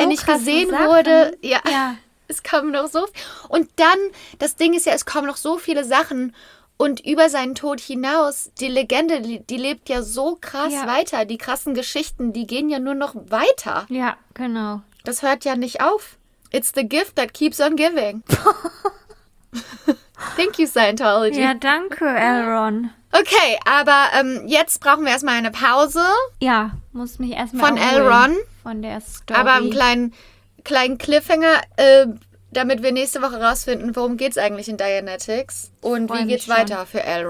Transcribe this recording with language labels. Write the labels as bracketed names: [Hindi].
[German] er nicht gesehen Sachen. Wurde. Ja, ja. Es kommen noch so viele. Und dann, das Ding ist ja, es kommen noch so viele Sachen. Und über seinen Tod hinaus, die Legende, die lebt ja so krass weiter. Die krassen Geschichten, die gehen ja nur noch weiter. Ja, genau. Das hört ja nicht auf. [English] It's the gift that keeps on giving. Thank you, Scientology. [German] Ja, danke, L. Ron. Okay, aber jetzt brauchen wir erstmal eine Pause. Ja, muss mich erstmal von L. Ron. Von der Story. Aber einen kleinen Cliffhanger, damit wir nächste Woche rausfinden, worum geht's eigentlich in Dianetics und wie geht's weiter für L.